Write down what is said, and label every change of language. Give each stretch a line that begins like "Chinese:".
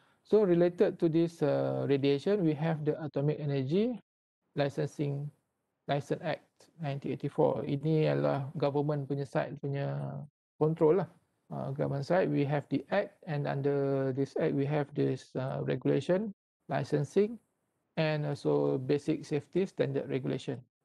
English: So related to this radiation, we have the Atomic Energy Licensing License Act 1984.
Malay: Ini adalah government punya side punya control lah.
English: Government side, we have the act, and under this act, we have this regulation, licensing, and also basic safety standard regulation.